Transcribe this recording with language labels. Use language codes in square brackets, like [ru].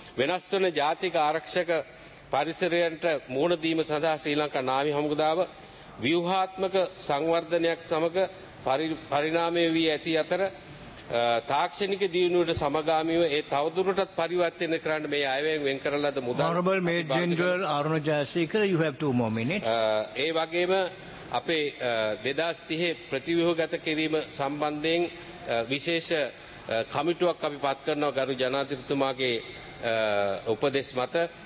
[si] වෙනස් වන ජාතික ආරක්ෂක පරිසරයන්ට මුහුණ දීම සඳහා ශ්‍රී ලංකා නාවික හමුදාව ව්‍යුහාත්මක සංවර්ධනයක් සමග පරිණාමය වී ඇති අතර තාක්ෂණික දියුණුවට සමගාමීව ඒ තවදුරටත් පරිවර්තනය කරන්න මේ අයවැයෙන් වෙන් කරලද [en] මුදල් Aruna Jayasekara you have 2 more minutes. [si] ඒ වගේම අපේ 2030 ප්‍රතිව්‍යුහගත කිරීම සම්බන්ධයෙන් විශේෂ කමිටුවක් අපි පත් කරනවා ගරු ජනාධිපතිතුමාගේ උපදෙස් මත.